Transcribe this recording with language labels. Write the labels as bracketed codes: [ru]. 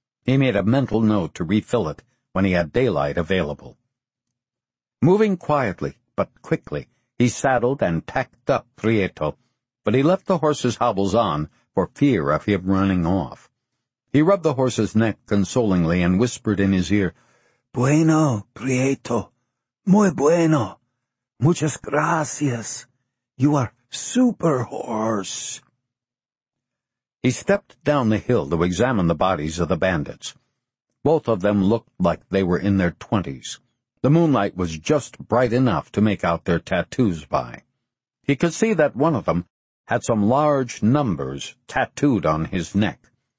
[en] He made a mental note to refill it when he had daylight available. Moving quietly, but quickly, he saddled and tacked up Prieto, but he left the horse's hobbles on for fear of him running off. He rubbed the horse's neck consolingly and whispered in his ear, [es] "Bueno, Prieto, muy bueno, muchas gracias, [en] you are super horse." He stepped down the hill to examine the bodies of the bandits. Both of them looked like they were in their 20s. The moonlight was just bright enough to make out their tattoos by. He could see that one of them had some large numbers tattooed on his neck.